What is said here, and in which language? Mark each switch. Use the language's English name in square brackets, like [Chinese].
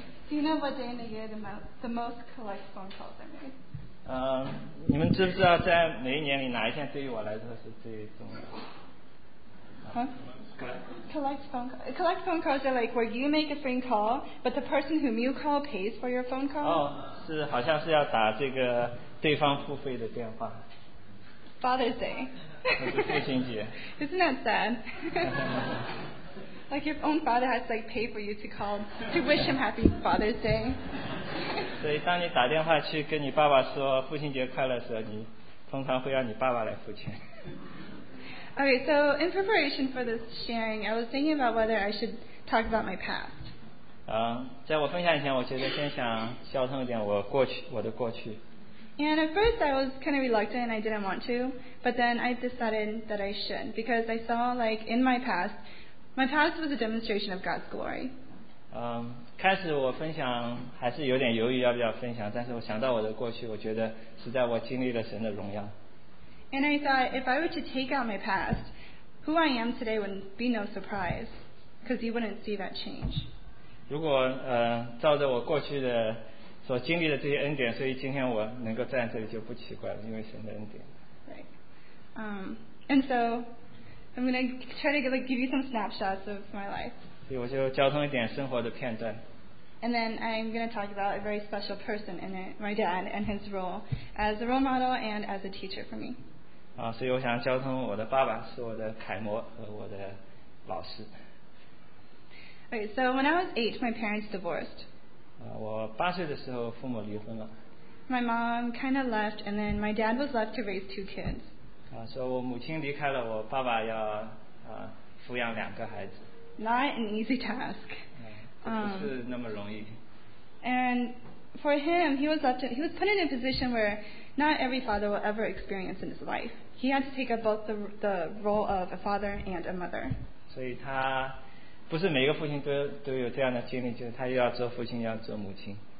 [English] Do you know what day in the year the most collect phone calls are made? [Chinese] 你们知不知道在每一年里哪一天对于我来说是最重要的？ [English] Collect phone calls are like where you make a phone call, but the person whom you call pays for your phone call. [Chinese] 是好像是要打这个对方付费的电话。 [English] Father's Day. [Chinese] 父亲节。 [English] Isn't that sad? Like your own father has like pay for you to call to wish him happy Father's Day. [Chinese] 所以当你打电话去跟你爸爸说父亲节快乐的时候，你通常会让你爸爸来付钱。 [English] Okay, so in preparation for this sharing, I was thinking about whether I should talk about my past. [Chinese] 在我分享以前，我觉得先想交通一点我的过去。 [English] And at first, I was kind of reluctant and I didn't want to, but then I decided that I should because I saw, like, in my past was a demonstration of God's glory. [Chinese] 开始我分享还是有点犹豫要不要分享，但是我想到我的过去，我觉得是在我经历了神的荣耀。 [English] And I thought, if I were to take out my past, who I am today would be no surprise. because you wouldn't see that change. [Chinese] 如果照着我过去的所经历的这些恩典，所以今天我能够站在这里就不奇怪了，因为神的恩典。 [English] Right. And so I'm going to try to give you some snapshots of my life. [Chinese] 所以我就交通一点生活的片段。 [English] And then I'm going to talk about a very special person in it, my dad, and his role as a role model and as a teacher for me. [Chinese] 所以我想交通我的爸爸是我的楷模和我的老师。 [English] Okay, so when I was 8, my parents divorced. [Chinese] 我八岁的时候父母离婚了。 [English] My mom kind of left, and then my dad was left to raise 2 kids. [Chinese] 所以我母亲离开了，我爸爸要抚养两个孩子。 [English] Not an easy task. [Chinese] 不是那么容易。 [English] And for him, he was put in a position where not every father will ever experience in his life. He had to take up both the role of a father and a mother. [Chinese] 所以他不是每个父亲都有这样的经历，就是他又要做父亲，要做母亲。